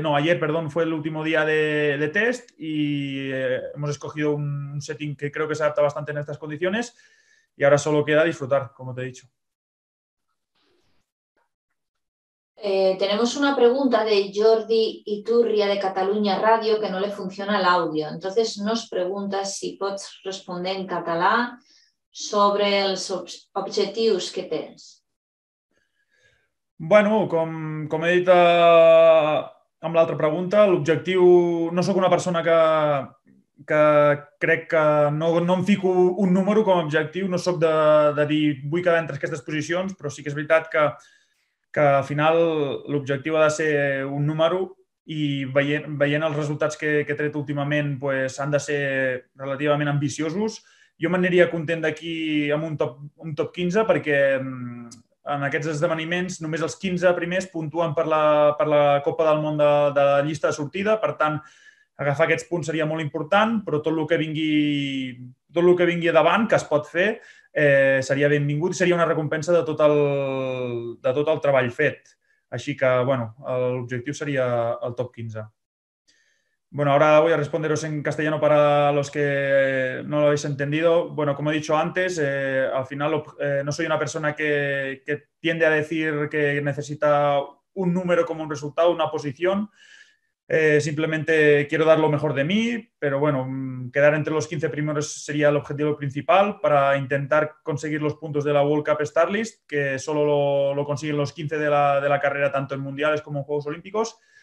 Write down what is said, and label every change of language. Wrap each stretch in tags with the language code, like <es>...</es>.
<es>No, ayer, perdón, fue el último día de test y hemos escogido un setting que creo que se adapta bastante en estas condiciones y ahora solo queda disfrutar, como te he dicho. Tenemos una pregunta de Jordi Iturria de Cataluña Radio que no le funciona el audio. Entonces nos pregunta si</es> <ca>pots responder en català sobre els objectius que tens. Bueno, com he dit amb l'altra pregunta, l'objectiu... No sóc una persona que crec que no em fico un número com a objectiu, no sóc de dir vull quedar entre aquestes posicions, però sí que és veritat que al final l'objectiu ha de ser un número i veient els resultats que he tret últimament pues, han de ser relativament ambiciosos. Jo m'aniria content d'aquí amb un top 15 perquè en aquests esdeveniments només els 15 primers puntuen per la Copa del Món de llista de sortida. Per tant, agafar aquests punts seria molt important, però tot el que vingui davant, que es pot fer, seria benvingut i seria una recompensa de tot el treball fet. Així que, bueno, l'objectiu seria el top 15.</ca> <es>Bueno, ahora voy a responderos en castellano para los que no lo habéis entendido. Bueno, como he dicho antes, al final no soy una persona que tiende a decir que necesita un número como un resultado, una posición. Simplemente quiero dar lo mejor de mí, pero bueno, quedar entre los 15 primeros sería el objetivo principal para intentar conseguir los puntos de la World Cup Starlist, que solo lo consiguen los 15 de la carrera, tanto en mundiales como en Juegos Olímpicos.</es>